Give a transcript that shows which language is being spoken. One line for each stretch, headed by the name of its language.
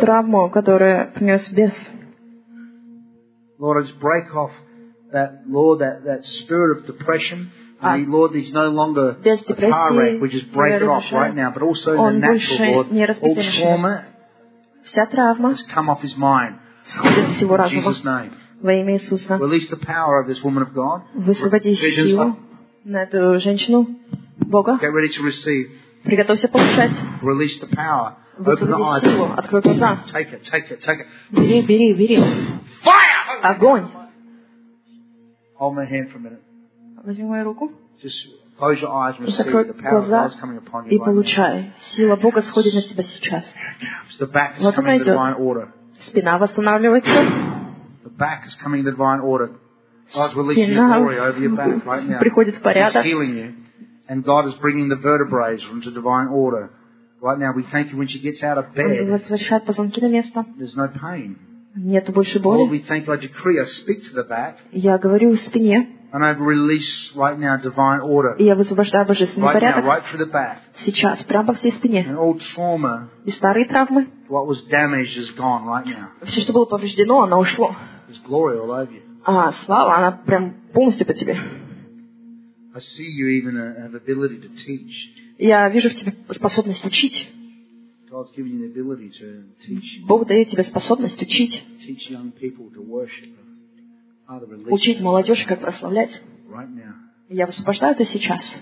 Russian: Травму, которую принес бес.
English: Lord, I just break off that, Lord, that spirit of depression. Lord, he's no longer a car wreck. We just break it off right now. But also in the natural, Lord, all trauma has come off his mind. In Jesus' name.
Russian: Во имя Иисуса.
English: Release the power of this woman of God.
Russian: Высвободи силу на эту женщину Бога.
English: Get ready to receive.
Russian: Приготовься получать.
English: Release the power. Open the eyes.
Russian: Открой глаза.
English: Take it.
Russian: Бери.
English: Fire!
Russian: Огонь.
English: Hold my hand for a minute.
Russian: Возьми мою руку.
English: Close your eyes and receive the power of God coming upon you.
Russian: И получай. Сила Бога сходит на тебя сейчас.
English: The back is coming in divine order.
Russian: Спина восстанавливается.
English: The back is coming in divine order. God's releasing the glory over your back right now.
Russian: Приходит в порядок.
English: He's healing you, and God is bringing the vertebrae into divine order. Right now, we thank you when she gets out of bed.
Russian: Возвращает позвонки на место.
English: There's no pain.
Russian: Нет больше боли.
English: Lord, we thank you. I decree. I speak to the back.
Russian: Я говорю спине.
English: And I release right now divine order.
Russian: И я высвобождаю божественный
English: right
Russian: порядок.
English: Now, right through the back.
Russian: Сейчас, прямо по всей спине.
English: And old trauma.
Russian: И старые травмы.
English: What was damaged is gone right now.
Russian: Все, что было повреждено, оно ушло.
English: There's glory all over you.
Russian: А слава, она прям полностью по тебе.
English: I see you even have ability to teach.
Russian: Я вижу в тебе способность учить.
English: God's giving you the ability to teach.
Russian: Бог дает тебе способность учить.
English: Teach young people to worship.
Russian: Учить молодежь, как прославлять.
English: Right now.
Russian: Я высвобождаю это сейчас.